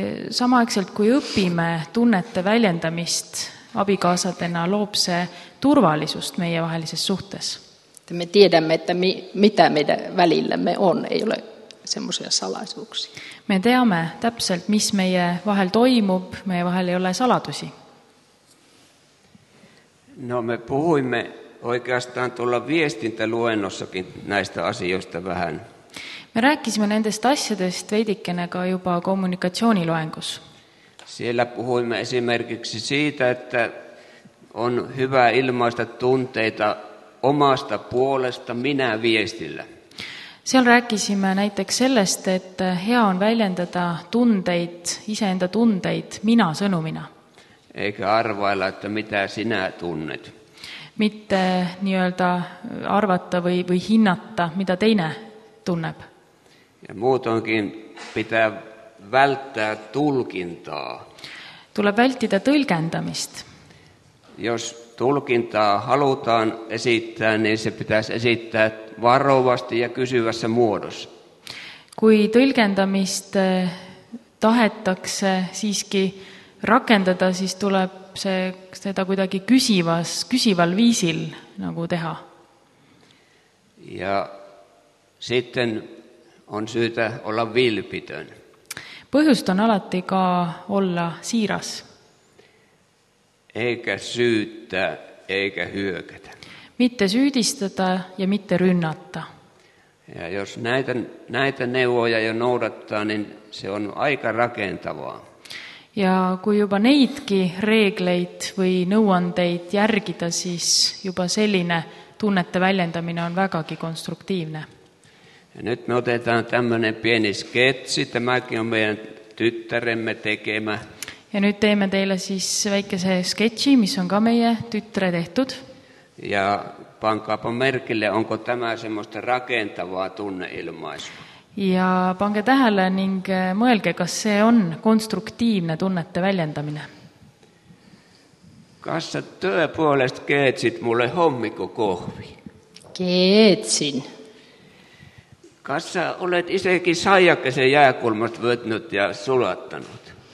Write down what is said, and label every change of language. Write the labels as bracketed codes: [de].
[et] Samaaikselt kui õppime tunnete väljendamist abikaasadena, loob see turvallisust meie vahelises suhtes. [fi] Me tiedämme, että mitä meidän välillämme on, ei ole semmoisia salaisuuksia. [et] Me teame täpselt, mis meie vahel toimub, meie vahel ei ole saladusi. [fi] No me puhuimme oikeastaan tuolla viestintäluennossakin näistä asioista vähän. [et] Me rääkisime nendest asjadest veidikene ka juba kommunikatsiooniloengus. [fi] Siellä puhuimme esimerkiksi siitä, että on hyvä ilmaista tunteita omasta puolesta minä viestillä. [et] Seal rääkisime näiteks sellest, et hea on väljendada tundeid, iseenda tundeid minä sõnumina. [fi] Eikä arvailla, että mitä sinä tunnet. [et] Mitte nii-öelda arvata või hinnata, mida teine tunneb. [fi] Ja muutonkin pitää välttää tulkintaa. [et] Tuleb vältida tõlgendamist. [fi] Jos tulkintaa halutaan esittää, niin se pitäisi esittää varovasti ja kysyvässä muodossa. [et] Kui tõlgendamist tahetakse siiski rakendada, siis tuleb see, seda kuidagi küsival viisil nagu teha. [fi] Ja sitten on syytä olla vilpitön. [et] Põhjust on alati ka olla siiras. [fi] Eikä syyttä, eikä hyökätä. [et] Mitte syydistada ja mitte rynnata. [fi] Ja jos näitä neuvoja jo noudattaa, niin se on aika rakentavaa. [et] Ja kui juba neidki reegleid või nõuandeid järgida, siis juba selline tunnete väljendamine on vägagi konstruktiivne. [fi] Ja nyt me otetaan tämmöinen pieni sketsi. Tämäkin on meidän tyttäremme tekemä. [et] Ja nyt teemme teille siis väikese sketsi, mis on ka meie tyttre tehtud. [fi] Ja pankaapa merkille, onko tämä semmoista rakentavaa tunneilmaisua. [et] Ja pange tähele ning mõelge, kas see on konstruktiivne tunnete väljendamine. Kas sa tõepoolest keetsid mulle hommiku kohvi? Keetsin. Kas sa oled isekin saiakese jääkulmast võtnud ja sulattanud?